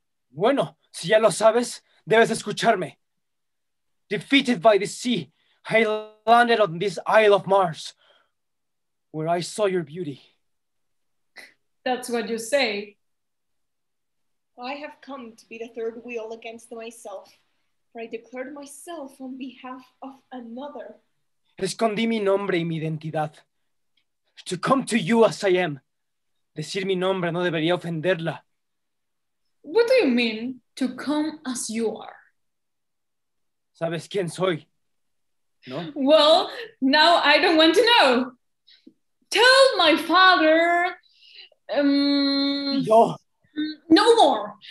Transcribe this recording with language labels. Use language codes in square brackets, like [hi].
[es] Bueno, si ya lo sabes, debes escucharme. [en] Defeated by the sea, I landed on this Isle of Mars, where I saw your beauty. That's what you say. I have come to be the third wheel against myself, for I declared myself on behalf of another. [es] Escondí mi nombre y mi identidad. [en] To come to you as I am. [es] Decir mi nombre no debería ofenderla. [en] What do you mean, to come as you are? [es] ¿Sabes quién soy? ¿No? [en] Well, now I don't want to know. Tell my father... [es] Yo... [en] No more.